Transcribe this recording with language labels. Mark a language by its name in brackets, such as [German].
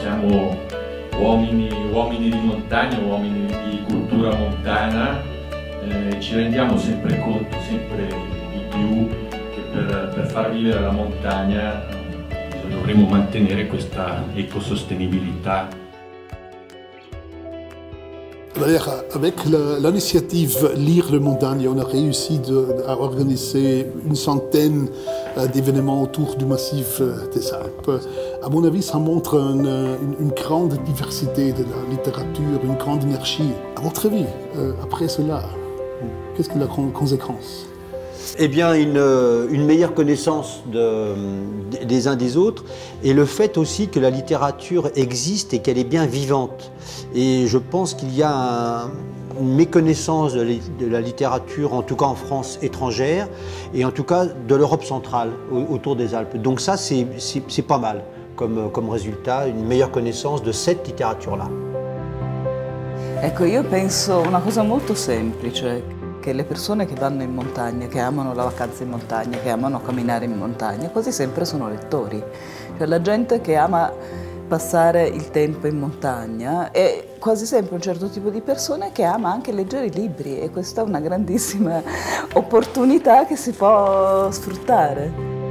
[Italian] Siamo uomini di montagna, uomini di cultura montana, ci rendiamo sempre conto, sempre di più, che per far vivere la montagna dovremmo mantenere questa ecosostenibilità. [French] Valère, avec l'initiative Lire le Montagne, on a réussi à organiser une centaine d'événements autour du massif des Alpes. À mon avis, ça montre une grande diversité de la littérature, une grande énergie. À votre avis, après cela, qu'est-ce que la conséquence? Eh bien, une meilleure connaissance des uns des autres, et le fait aussi que la littérature existe et qu'elle est bien vivante. Et je pense qu'il y a une méconnaissance de la littérature, en tout cas en France étrangère, et en tout cas de l'Europe centrale autour des Alpes. Donc ça, c'est pas mal comme résultat, une meilleure connaissance de cette littérature-là. [Italian] Ecco, io penso una cosa molto semplice. Che le persone che vanno in montagna, che amano la vacanza in montagna, che amano camminare in montagna, quasi sempre sono lettori. Cioè la gente che ama passare il tempo in montagna è quasi sempre un certo tipo di persona che ama anche leggere i libri, e questa è una grandissima opportunità che si può sfruttare.